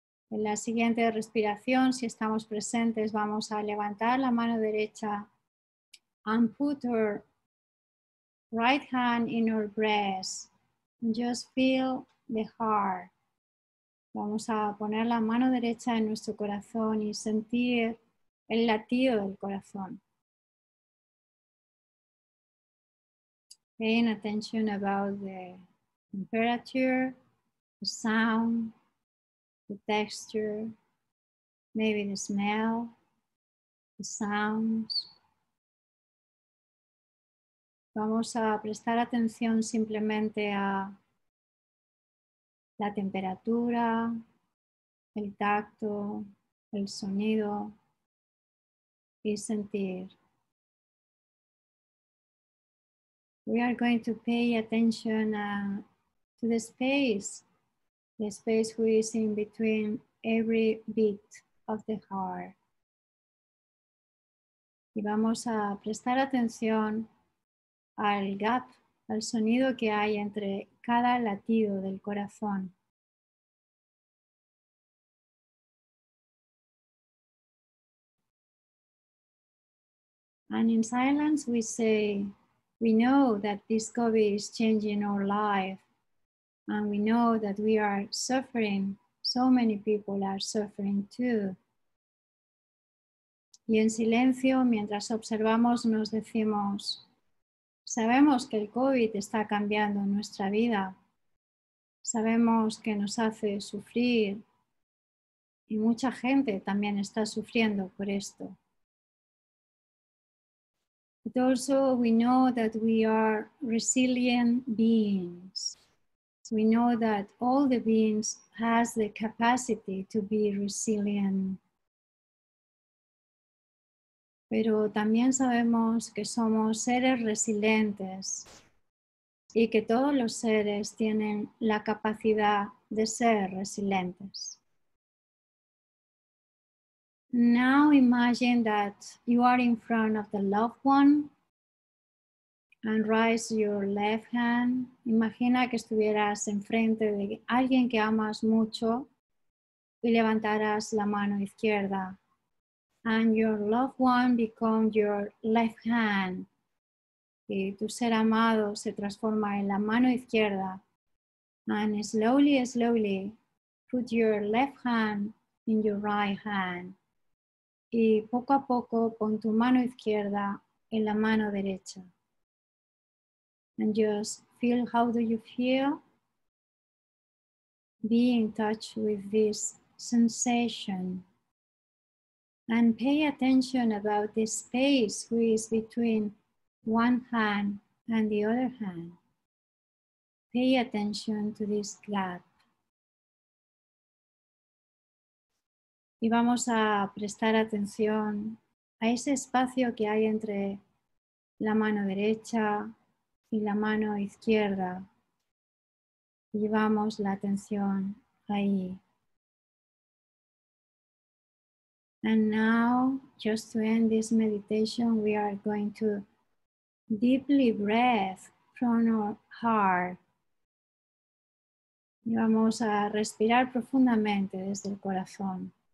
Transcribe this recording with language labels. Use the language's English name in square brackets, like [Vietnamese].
[Spanish] En la siguiente respiración, si estamos presentes, vamos a levantar la mano derecha [English] and put our right hand in our breast. Just feel the heart. [Spanish] Vamos a poner la mano derecha en nuestro corazón y sentir el latido del corazón. [English] Paying attention about the temperature, the sound, the texture, maybe the smell, the sounds. [Spanish] Vamos a prestar atención simplemente a la temperatura, el tacto, el sonido y sentir. [English] We are going to pay attention to the space which is in between every beat of the heart. [Spanish] Y vamos a prestar atención al gap, al sonido que hay entre cada latido del corazón. [English] And in silence we say, we know that this COVID is changing our life, and we know that we are suffering, so many people are suffering too. [Spanish] Y en silencio, mientras observamos, nos decimos, sabemos que el COVID está cambiando nuestra vida, sabemos que nos hace sufrir, y mucha gente también está sufriendo por esto. [English] But also we know that we are resilient beings. We know that all the beings has the capacity to be resilient. [Spanish] Pero también sabemos que somos seres resilientes y que todos los seres tienen la capacidad de ser resilientes. [English] Now imagine that you are in front of the loved one and raise your left hand. [Spanish] Imagina que estuvieras enfrente de alguien que amas mucho y levantaras la mano izquierda. [English] And your loved one becomes your left hand. [Spanish] Y tu ser amado se transforma en la mano izquierda. [English] And slowly, slowly put your left hand in your right hand. [Spanish] Y poco a poco pon tu mano izquierda en la mano derecha. [English] And just feel how do you feel being in touch with this sensation. And pay attention about this space which is between one hand and the other hand. Pay attention to this gap. [Spanish] Y vamos a prestar atención a ese espacio que hay entre la mano derecha y la mano izquierda. Llevamos la atención ahí. [English] And now, just to end this meditation, we are going to deeply breathe from our heart. [Spanish] Y vamos a respirar profundamente desde el corazón.